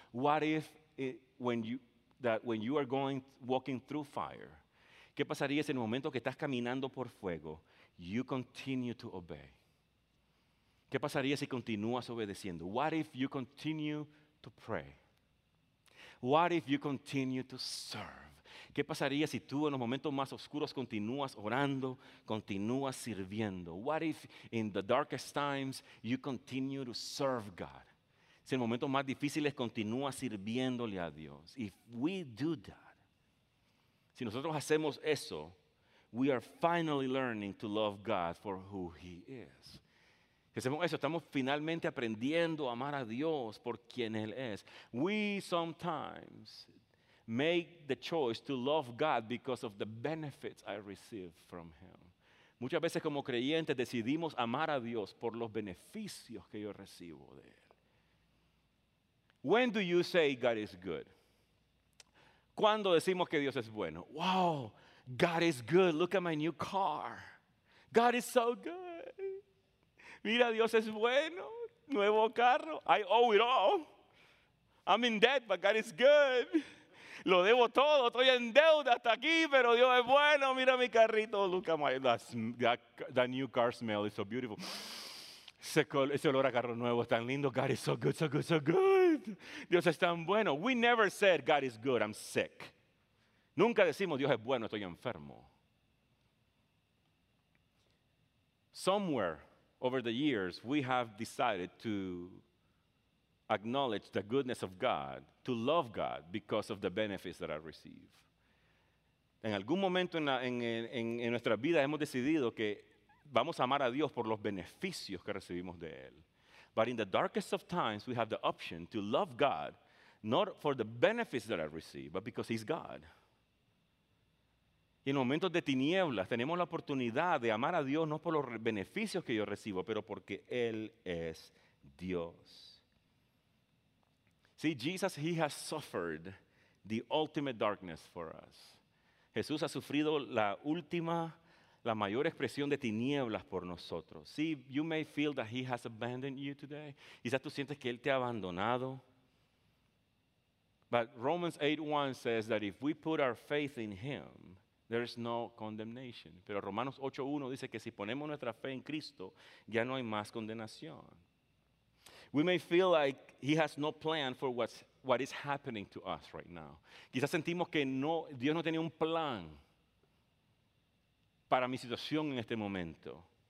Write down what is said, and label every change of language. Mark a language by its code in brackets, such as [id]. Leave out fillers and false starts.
[en] What if, when you are walking through fire, [es] ¿qué pasaría si en el momento que estás caminando por fuego, [en] you continue to obey? [es] ¿Qué pasaría si continúas obedeciendo? [en] What if you continue to pray? What if you continue to serve? [es] ¿Qué pasaría si tú en los momentos más oscuros continúas orando, continúas sirviendo? [en] What if in the darkest times you continue to serve God? [es] Si en momentos más difíciles continúas sirviéndole a Dios. [en] If we do that, [es] si nosotros hacemos eso, [en] we are finally learning to love God for who he is. [es] Si hacemos eso, estamos finalmente aprendiendo a amar a Dios por quien él es. [en] We sometimes make the choice to love God because of the benefits I receive from him. [es] Muchas veces como creyentes decidimos amar a Dios por los beneficios que yo recibo de él. [en] When do you say God is good? [es] ¿Cuándo decimos que Dios es bueno? [en] Wow, God is good. Look at my new car. God is so good. [es] Mira, Dios es bueno. Nuevo carro. [en] I owe it all. I'm in debt, but God is good. [es] Lo debo todo, estoy en deuda hasta aquí, pero Dios es bueno, mira mi carrito. [en] Look at my, that new car smell is so beautiful. [es] Ese olor a carro nuevo es tan lindo. [en] God is so good, so good, so good. [es] Dios es tan bueno. [en] We never said, God is good, I'm sick. [es] Nunca decimos, Dios es bueno, estoy enfermo. [en] Somewhere over the years, we have decided to acknowledge the goodness of God, to love God because of the benefits that I receive. [es] En algún momento en nuestra vida hemos decidido que vamos a amar a Dios por los beneficios que recibimos de Él. [en] But in the darkest of times, we have the option to love God, not for the benefits that I receive, but because He's God. [es] Y en momentos de tinieblas tenemos la oportunidad de amar a Dios no por los beneficios que yo recibo, pero porque Él es Dios. [en] See, Jesus, He has suffered the ultimate darkness for us. [es] Jesús ha sufrido la última, la mayor expresión de tinieblas por nosotros. [en] See, you may feel that He has abandoned you today. [es] Quizás tú sientes que Él te ha abandonado. [en] But Romans 8:1 says that if we put our faith in Him, there is no condemnation. [es] Pero Romanos 8:1 dice que si ponemos nuestra fe en Cristo, ya no hay más condenación. [en] We may feel like He has no plan for what is happening to us right now. [es] Quizás sentimos que no, Dios no tenía un plan para mi situación en este momento.